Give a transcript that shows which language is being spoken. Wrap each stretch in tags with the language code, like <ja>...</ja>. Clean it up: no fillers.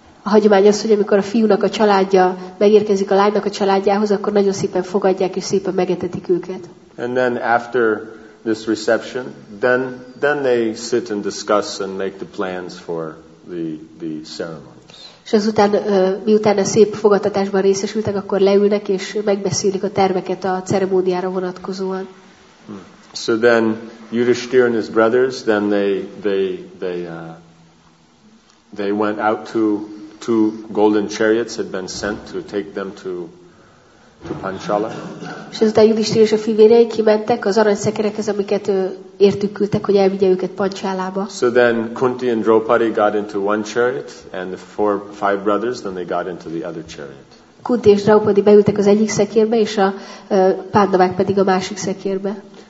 <hu>A hagyomány az, hogy amikor a fiúnak a családja megérkezik a lánynak a családjához, akkor nagyon szépen fogadják és szépen megetetik őket.</hu> <en>And then after this reception, then they sit and discuss and make the plans for the ceremonies.</en> <hu>És azután, miután a szép fogadtatásban részesültek, akkor leülnek és megbeszélik a terveket a ceremóniára vonatkozóan.</hu> <en>So then Yudhishthir and his brothers, then they went out to two golden chariots had been sent to take them to Panchala.</en> <hu>És azután Yudhishthir és a fivérei kimentek az aranyszekerekhez, amiket értük küldtek, hogy elvigye őket Panchalába.</hu> <en>So then Kunti and Draupadi got into one chariot, and the five brothers, then they got into the other chariot.</en> <hu>Kunti és Draupadi beültek az egyik szekérbe, és a Pándavák pedig a másik szekérbe.</hu>